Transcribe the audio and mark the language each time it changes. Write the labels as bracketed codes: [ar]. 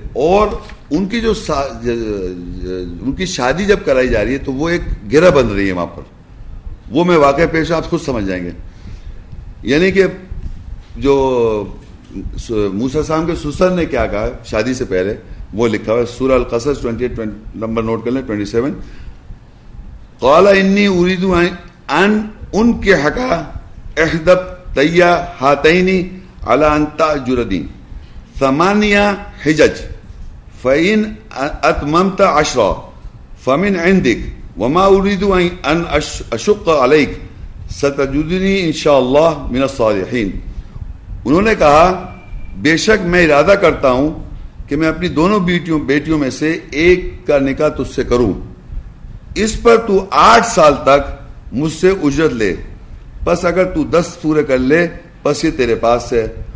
[ur] اور ان کی جو ان کی شادی جب کرائی جا رہی ہے تو وہ ایک گرہ بن رہی ہے وہاں پر. وہ میں واقعہ پیش آپ خود سمجھ جائیں گے. یعنی کہ جو موسیٰ السلام کے سسر نے کیا کہا شادی سے پہلے وہ لکھا ہوا ہے سورہ القصص 28 نمبر نوٹ کر لیں 27. [ar] قال انی اريد ان انكحك احدى طيا هاتين على ان تاجرني ثمانية حجج فان اتممت عشرا فمن عندك وما اريد ان اشق عليك ستجدني ان شاء الله من الصالحين. [ur] انہوں نے کہا بے شک میں ارادہ کرتا ہوں کہ میں اپنی دونوں بیٹیوں میں سے ایک کا نکاح تجھ سے کروں, اس پر تو 8 سال تک مجھ سے اجرت لے, بس اگر تو 10 پورے کر لے بس یہ تیرے پاس ہے.